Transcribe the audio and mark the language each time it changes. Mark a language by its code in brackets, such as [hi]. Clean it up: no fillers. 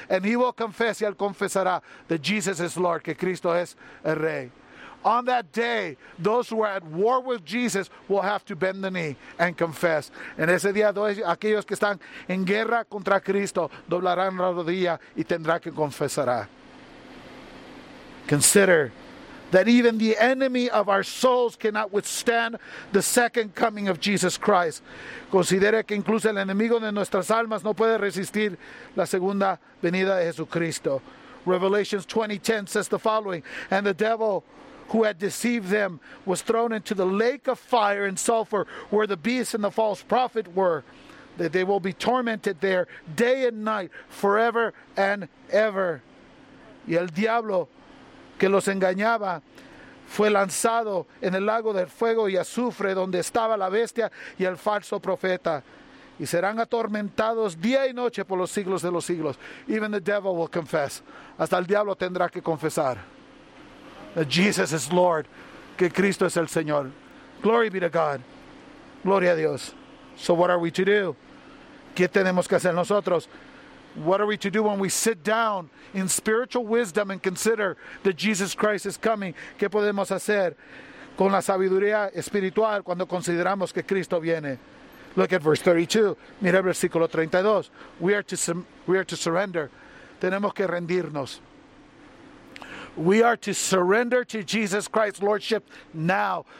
[en] And he will confess, [es] y él confesará, [en] that Jesus is Lord, [es] que Cristo es el Rey. [en] On that day, those who are at war with Jesus will have to bend the knee and confess. [es] En ese día, aquellos que están en guerra contra Cristo doblarán la rodilla y tendrá que confesar. [en] Consider that even the enemy of our souls cannot withstand the second coming of Jesus Christ. [es] Considere que incluso el enemigo de nuestras almas no puede resistir la segunda venida de Jesucristo. [en] Revelation 20:10 says the following: and the devil who had deceived them was thrown into the lake of fire and sulfur, where the beast and the false prophet were, that they will be tormented there day and night forever and ever. [es] Y el diablo que los engañaba fue lanzado en el lago del fuego y azufre, donde estaba la bestia y el falso profeta, y serán atormentados día y noche por los siglos de los siglos. [en] Even the devil will confess. [es] Hasta el diablo tendrá que confesar. [en] That Jesus is Lord, [es] que Cristo es el Señor. [en] Glory be to God. [es] Gloria a Dios. [en] So what are we to do? [es] ¿Qué tenemos que hacer nosotros? [en] What are we to do when we sit down in spiritual wisdom and consider that Jesus Christ is coming? [es] ¿Qué podemos hacer con la sabiduría espiritual cuando consideramos que Cristo viene? [en] Look at verse 32. [es] Mira el versículo 32. [en] We are to surrender. [es] Tenemos que rendirnos. [en] We are to surrender to Jesus Christ's Lordship now.